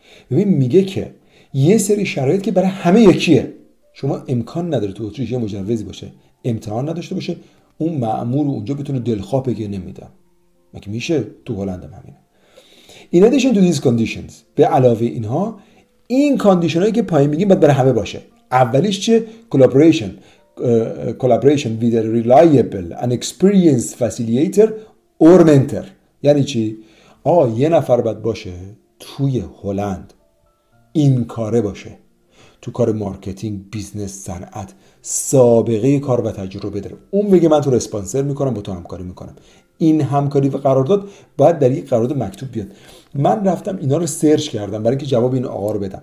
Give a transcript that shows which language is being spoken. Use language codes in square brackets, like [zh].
[fa] ببین میگه که یه سری شرایط که برای همه یکیه. شما امکان نداره تو اتریش مجوزی باشه، امتحان نداشته باشه، اون مأمور اونجا بتونه دلخواه بگه نمیدم. مگه میشه؟ تو هلند هم همینه. [en] In addition to these conditions، [fa] به علاوه اینها، این کاندیشن هایی که پایین میگیم باید برای همه باشه. اولیش چه؟ collaboration. [en] Collaboration with a reliable and experienced facilitator or mentor. [fa] یعنی چی؟ آه یه نفر باید باشه توی هلند این کاره باشه، تو کار مارکتینگ، بیزنس، صنعت سابقه کار و تجربه داره، اون بگه من تو رو اسپانسر میکنم، با تو همکاری میکنم. این همکاری و قرارداد باید در یک قرارداد مکتوب بیاد. من رفتم اینا رو سرچ کردم برای اینکه جواب این آقا رو بدم.